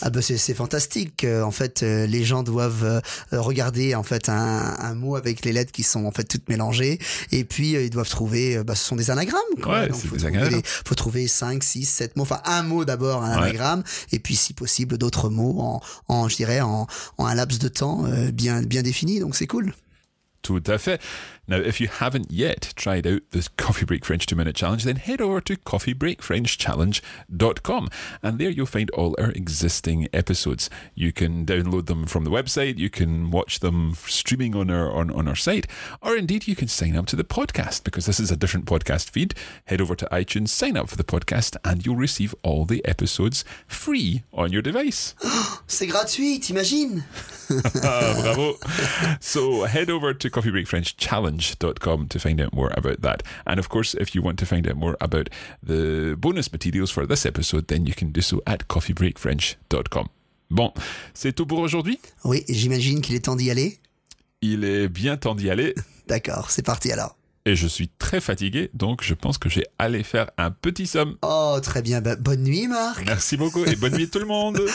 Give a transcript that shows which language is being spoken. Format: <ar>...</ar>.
<fr>Ah ben c'est fantastique. En fait, les gens doivent regarder en fait un mot avec les lettres qui sont en fait toutes mélangées. Et puis, ils doivent trouver, bah, ce sont des anagrammes. Quoi. Ouais, donc, c'est des anagrammes. Il faut trouver 5, 6, 7 mots. Enfin, un mot d'abord, un anagramme. Et puis, si possible, d'autres mots en un laps de temps bien défini. Donc, c'est cool. Tout à fait.</fr> <en>Now, if you haven't yet tried out the Coffee Break French 2-Minute Challenge, then head over to coffeebreakfrenchchallenge.com and there you'll find all our existing episodes. You can download them from the website, you can watch them streaming on our site, or indeed you can sign up to the podcast because this is a different podcast feed. Head over to iTunes, sign up for the podcast and you'll receive all the episodes free on your device.</en> <fr>Oh, c'est gratuit, t'imagines? Bravo.</fr> <en>So head over to coffeebreakfrenchchallenge.com to find out more about that. And of course, if you want to find out more about the bonus materials for this episode, then you can do so at coffeebreakfrench.com.</en> <fr>Bon, c'est tout pour aujourd'hui? Oui, j'imagine qu'il est temps d'y aller. Il est bien temps d'y aller. D'accord, c'est parti alors. Et je suis très fatigué, donc je pense que j'ai allé faire un petit somme. Oh, très bien. Bah, bonne nuit, Marc. Merci beaucoup et bonne nuit tout le monde.</fr>